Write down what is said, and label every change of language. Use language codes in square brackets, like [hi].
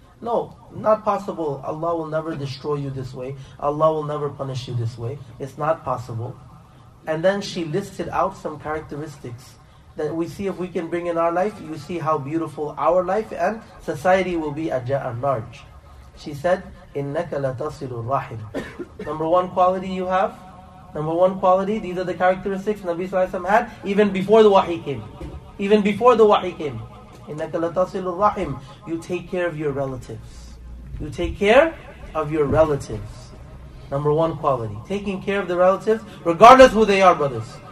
[en] No, not possible. Allah will never destroy you this way. Allah will never punish you this way. It's not possible. And then she listed out some characteristics that we see if we can bring in our life, you see how beautiful our life and society will be at large. She said, [ar] إِنَّكَ لَتَصِلُ الرَّحِمِ. [en] Number one quality, these are the characteristics Nabi Sallallahu Alaihi Wasallam had even before the wahi came. [ar] إِنَّكَ لَتَصِلُ الرَّحِمِ. [en] You take care of your relatives. Number one quality, taking care of the relatives, regardless who they are, brothers.